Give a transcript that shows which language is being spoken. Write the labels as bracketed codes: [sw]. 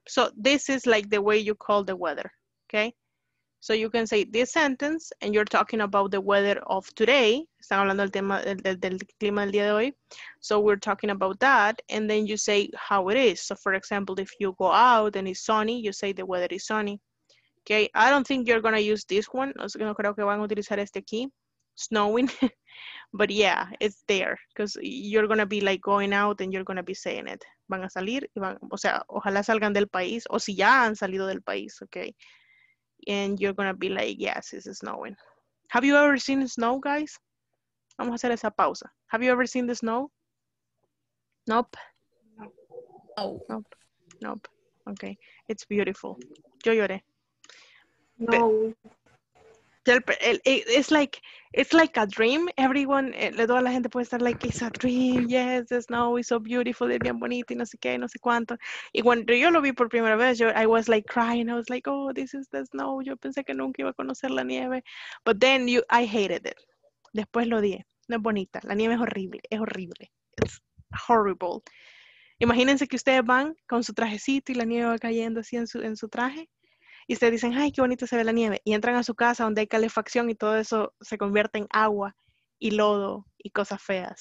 [en] So this is like the way you call the weather. Okay. So you can say this sentence and you're talking about the weather of today. [es] Están hablando del tema del clima del día de hoy. [en] So we're talking about that. And then you say how it is. So for example, if you go out and it's sunny, you say the weather is sunny. Okay. I don't think you're going to use this one. [es] No creo que van a utilizar este aquí. [en] Snowing. But yeah, it's there. Because you're going to be like going out and you're going to be saying it. [es] Van a salir. Y van, o sea, ojalá salgan del país. O si ya han salido del país. Okay. [en] And you're going to be like, yes, it's snowing. Have you ever seen snow, guys? [es] Vamos a hacer esa pausa. [en] Have you ever seen the snow? Nope. Okay. It's beautiful. [es] Yo lloré. [en] It's like a dream. Everyone, [es] toda la gente puede estar [en] like, it's a dream. Yes, the snow is so beautiful. [es] Es bien bonito y no sé qué, no sé cuánto. Y cuando yo lo vi por primera vez, [en] I was like crying. I was like, oh, this is the snow. [es] Yo pensé que nunca iba a conocer la nieve. [en] But then I hated it. [es] Después lo odié. No es bonita. La nieve es horrible. [en] It's horrible. [es] Imagínense que ustedes van con su trajecito y la nieve va cayendo así en su traje. Y ustedes dicen, ay, qué bonito se ve la nieve. Y entran a su casa donde hay calefacción y todo eso se convierte en agua y lodo y cosas feas.